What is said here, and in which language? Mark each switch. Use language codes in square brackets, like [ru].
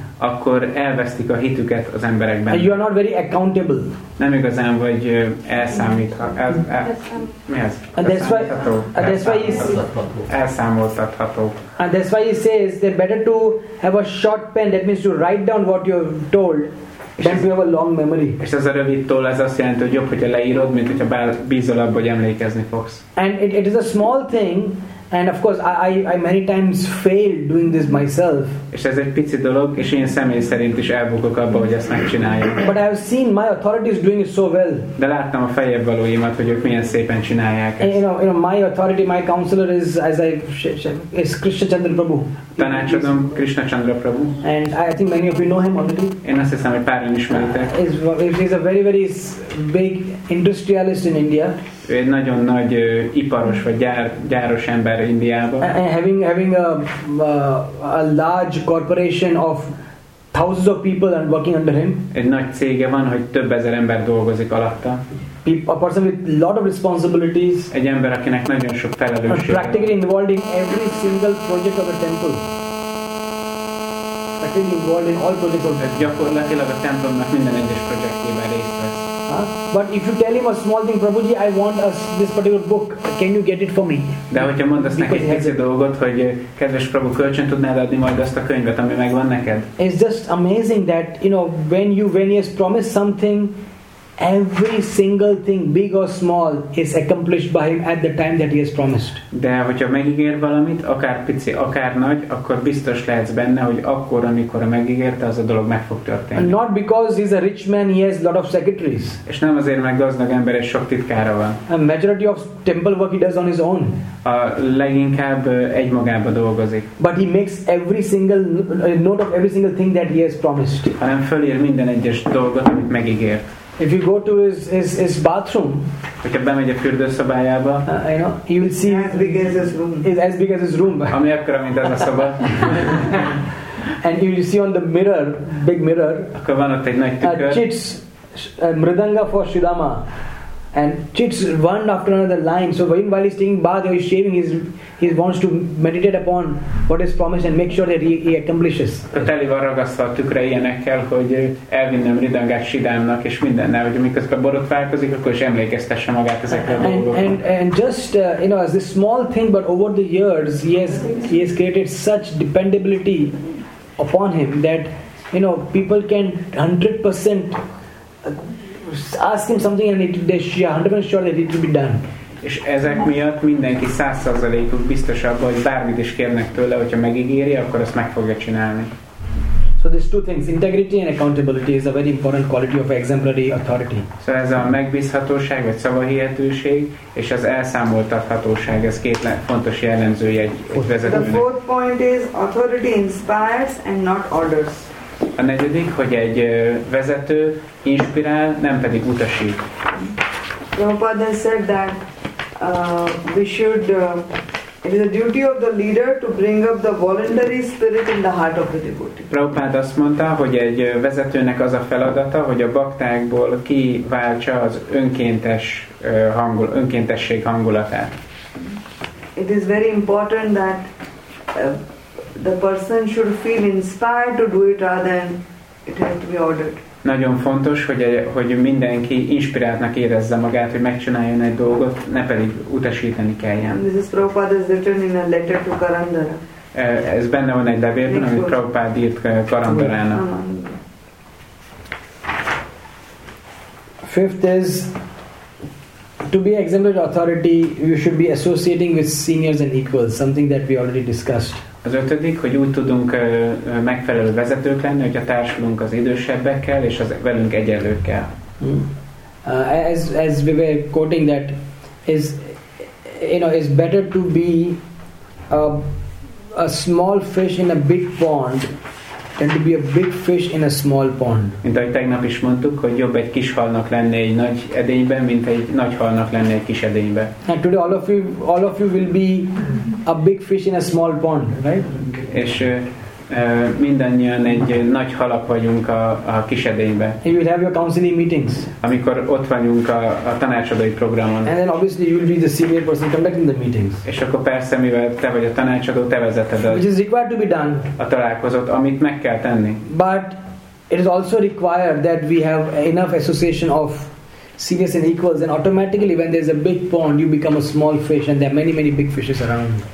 [hu] Akkor elvesztik a hitüket az emberekben. [en] You are not very accountable. [hu] Nem igazán vagy elszámoltatható. [en] And that's why he says they better to have a short pen, that means to write down what you have told. Then we have a long memory. [hu] És ez a rövid toll, ez azt jelenti, hogy jobb, hogyha leírod, mint hogyha bízol abba, hogy emlékezni fogsz. [en] And it is a small thing, and of course I many times failed doing this myself. [hu] És ez egy pici dolog, és én személy szerint is elbukok abba, hogy ezt megcsináljam. [en] But I have seen my authorities doing it so well. [hu] De láttam a fejjebb valóimat, hogy ők milyen szépen csinálják ezt. [en] You know, my authority, my counselor is, as I is Krishna Chandra Prabhu. [hu] Tanácsadom Krishna Chandra Prabhu. [en] And I think many of you know him already. [hu] Én azt hiszem, hogy páran ismeritek. [en] He's a very very big industrialist in India. [hu] Ő egy nagyon nagy iparos vagy gyáros ember Indiában. [en] Having a large corporation of thousands of people and working under him. [hu] Egy nagy cége van, hogy több ezer ember dolgozik alatta. [en] A person with lot of responsibilities. [hu] Egy ember, akinek nagyon sok felelőssége. [en] Practically involved in every single project of a temple. A everything involved in all political projects. [hu] Gyakorlatilag a templomnak minden egyes projektjében részt vesz. [en] But if you tell him a small thing, Prabhuji, I want us this particular book. Can you get it for me? [hu] De hogyha mondasz neki egy pici dolgot, hogy kedves Prabhu, kölcsön tudnád adni majd azt a könyvet, ami megvan neked? [en] It's just amazing that, you know, when he has promised something, every single thing, big or small, is accomplished by him at the time that he has promised. [hu] De hogyha megígér valamit, akár pici, akár nagy, akkor biztos lehetsz benne, hogy akkor, amikor megígérte, az a dolog meg fog történni. [en] And not because he's a rich man, he has a lot of secretaries. [hu] És nem azért, mert gazdag ember, és sok titkára van. [en] A majority of temple work he does on his own. [hu] A leginkább egymagában dolgozik. [en] But he makes every single note of every single thing that he has promised. [hu] Hanem fölír minden egyes dolgot, amit megígért. [en] If you go to his bathroom, [hu] hogyha bemegy a fürdőszobájába, [en] you will see as big as his room. Is as big as his room. [hu] Ami akkora, mint ez a szoba. [en] And you will see on the mirror, big mirror, [hu] akkor van ott egy nagy tükör. [en] Chits, mridanga for Sridama. And chits one after another line. So when while he's taking bath or he's shaving, he wants to meditate upon what is promised and make sure that he accomplishes. [hu] A teli van ragasztva a tükre ilyenekkel, hogy elvinne mridangát Sridámnak és mindennel, hogy miközben borotválkozik, akkor is emlékeztesse magát ezekre a dolgokra. [en] And just you know, as this small thing, but over the years he has created such dependability upon him that, you know, people can 100% ask him something and it is 100% sure that it will be done. [hu] És ezek miatt mindenki 100%-uk biztos abban, hogy bármit is kérnek tőle, hogyha megígéri, akkor azt meg fogja csinálni. [en] So these two things, integrity and accountability, is a very important quality of exemplary authority. [hu] So ez a megbízhatóság vagy szavahihetőség és az elszámoltathatóság, ez két fontos jellemzője egy vezetőnek. [en] The fourth point is authority inspires and not orders. [hu] A negyedik, hogy egy vezető inspirál, nem pedig utasít. [en] Prabhupada said that we should it is a duty of the leader to bring up the voluntary spirit in the heart of the devotee. [hu] Prabhupada azt mondta, hogy egy vezetőnek az a feladata, hogy a baktákból kiváltsa az önkéntes önkéntesség hangulatát. [en] It is very important that the person should feel inspired to do it rather than it has to be ordered. [hu] Nagyon fontos, hogy mindenki inspiráltnak érezze magát, hogy megcsináljon egy dolgot, ne pedig utasítani kelljen. [en] This is Prabhupada's written in a letter to Karandara. [hu] Ez benne van egy levélben, amit Prabhupada írt Karandarának. [en] Fifth is, to be exemplary authority, you should be associating with seniors and equals, something that we already discussed. [hu] Az ötödik, hogy úgy tudunk megfelelő vezetők lenni, hogy a társulunk az idősebbekkel és az velünk egyenlőkkel. [en] As we were quoting that is, you know, it's better to be a small fish in a big pond than to be a big fish in a small pond. [hu] Mint ahogy tegnap is mondtuk, hogy jobb egy kis halnak lenni egy nagy edényben, mint egy nagy halnak lenni egy kis edényben. [en] And today all of you will be a big fish in a small pond, right? [hu] És mindannyian egy nagy halak vagyunk a kis edényben. [en] You will have your counseling meetings. [hu] Amikor ott vagyunk a tanácsadói programon. [en] And then obviously you will be the senior person conducting the meetings. [hu] És akkor persze, mivel te vagy a tanácsadó, te vezeted [en] Which is required to be done. [hu] A találkozót, amit meg kell tenni. [en] But it is also required that we have enough association of seniors and equals, and automatically when there's a big pond, you become a small fish, and there are many, many big fishes around.